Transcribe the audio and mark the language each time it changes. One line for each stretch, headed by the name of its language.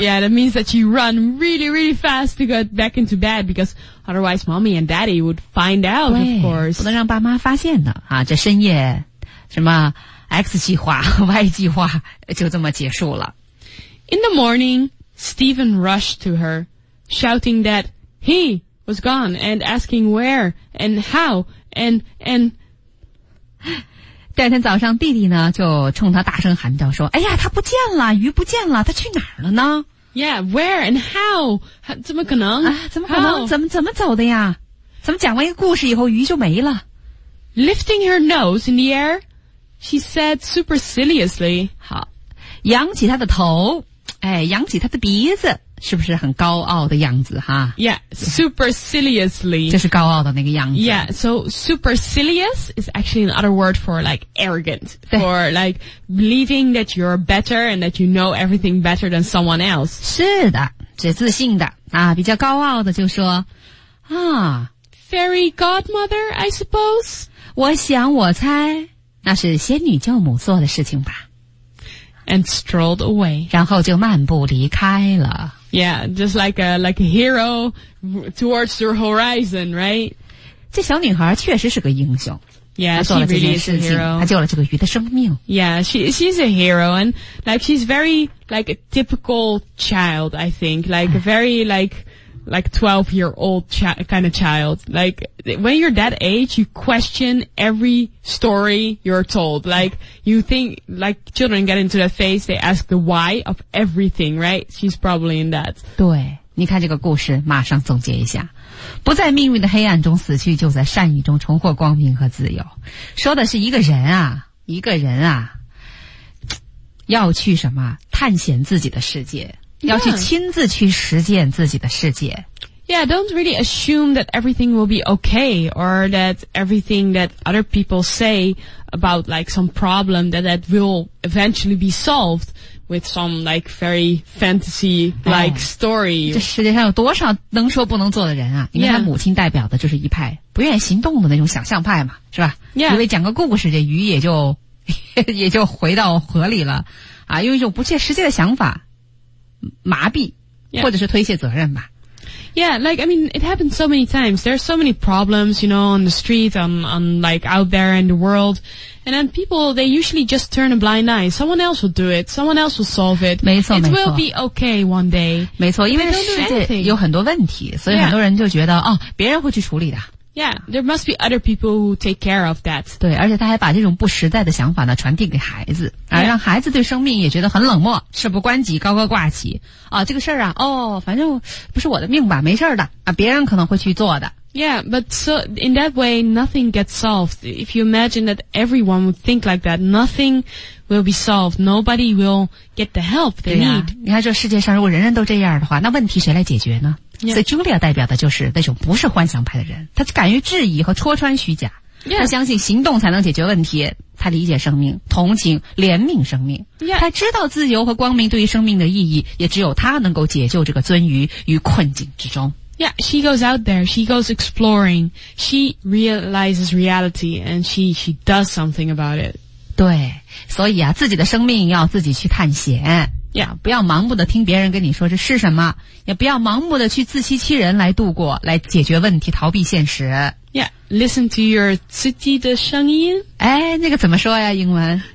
English: Yeah, that means that you run really, really fast to get back into bed because otherwise mommy and daddy would find out, of course.
Chinese: 不能让爸妈发现的啊这深夜什么 X 计划 ,Y 计划就这么结束了。
English: In the morning, Stephen rushed to her, shouting that he was gone and asking where and how and
Chinese: 第二天早上弟弟呢就冲他大声喊叫说哎呀他不见了鱼不见了他去哪儿了呢
English: Yeah, where and how?
Chinese: 怎么可能、啊、怎么可能、
English: how?
Chinese: 怎么走的呀怎么讲完一个故事以后鱼就没了
English: Lifting her nose in the air, she said superciliously.
Chinese: 好扬起他的头哎扬起他的鼻子是不是很高傲的样子哈
English: Yeah, superciliously.
Chinese: 这是高傲的那个样子。
English: Yeah, so supercilious is actually another word for like arrogant. For like believing that you're better and that you know everything better than someone else.
Chinese: 是的这自信的啊比较高傲的就说啊
English: Fairy godmother, I suppose.
Chinese: 我想我猜那是仙女舅母做的事情吧。
English: And strolled away.
Chinese: 然后就漫步离开了。
English: Yeah, just like a hero towards the horizon, right?
Chinese: 这小女孩确实是个英雄。
English: Yeah, she really is a hero.
Chinese: 她救了这个鱼的生命。
English: Yeah, she's a hero. And like, she's very like a typical child, I think. Like, very like 12-year-old kind of child. Like, when you're that age, you question every story you're told. Like, you think, like, children get into that phase, they ask the why of everything, right? She's probably in that.
Chinese: 对，你看这个故事，马上总结一下。不在命运的黑暗中死去，就在善意中重获光明和自由。说的是一个人啊，一个人啊，要去什么？探险自己的世界。要去亲自去实践自己的世界。
English: Yeah, don't really assume that everything will be okay or that everything that other people say about like some problem that will eventually be solved with some like very fantasy-like story.
Chinese: 这世界上有多少能说不能做的人啊？因为他母亲代表的就是一派不愿意行动的那种想象派嘛，是吧？
English: Yeah.
Chinese: 因为讲个故事，这鱼也就回到河里了啊，用一种不切实际的想法。麻痹、
English: yeah.
Chinese: 或者是推卸责任吧
English: Yeah, like, I mean, it happens so many times. There are so many problems, you know, on the street, on like out there in the world. And then people, they usually just turn a blind eye. Someone else will do it. Someone else will solve it.
Chinese: 没错，没错。
English: It will be okay one day.
Chinese: 没错，因为世界有很多问题，所以很多人就觉得、
English: yeah.
Chinese: 哦，别人会去处理的。
English: Yeah, there must be other people who take care of that.
Chinese: 对，而且他还把这种不实在的想法呢传递给孩子，而让孩子对生命也觉得很冷漠，事不关己高高挂起。啊，这个事儿啊，哦，反正不是我的命吧，没事的啊，别人可能会去做的。
English: Yeah, but so in that way, nothing gets solved. If you imagine that everyone would think like that, nothing will be solved. Nobody will get the help they need.
Chinese: 你看，这世界上如果人人都这样的话，那问题谁来解决呢？
English: Yeah.
Chinese: 所以 Julia 代表的就是那种不是幻想派的人他敢于质疑和戳穿虚假、
English: yeah.
Chinese: 他相信行动才能解决问题他理解生命同情怜悯生命、
English: yeah.
Chinese: 他知道自由和光明对于生命的意义也只有他能够解救这个鳟鱼于困境之中
English: Yeah, she goes out there, she goes exploring, she realizes reality and she does something about it
Chinese: 对所以啊自己的生命要自己去探险
English: Yeah.
Chinese: 不要盲目的听别人跟你说这是什么也不要盲目的去自欺欺人来度过来解决问题逃避现实
English: Yeah, listen to your
Chinese: 自己的声音。哎，那个怎么说呀？英文